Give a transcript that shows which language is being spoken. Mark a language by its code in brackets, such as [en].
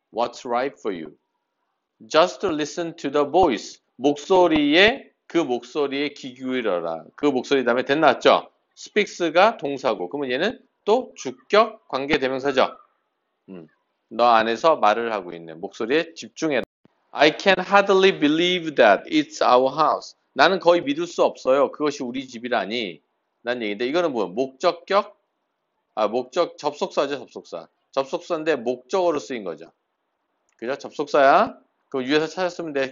[en] What's right for you? Just listen to the voice. [ko] 목소리에 그 목소리에 귀 기울여라. 그 목소리 다음에 됐나죠? speaks가 동사고. 그러면 얘는 또 주격 관계 대명사죠. 너 안에서 말을 하고 있는 목소리에 집중해라. [en] I can hardly believe that it's our house. [ko] 나는 거의 믿을 수 없어요. 그것이 우리 집이라니. 난 얘기인데 이거는 뭐야? 목적격? 아, 목적 접속사죠, 접속사. 접속사인데 목적어로 쓰인 거죠. 그죠? 접속사야. 그럼 위에서 찾았으면 돼.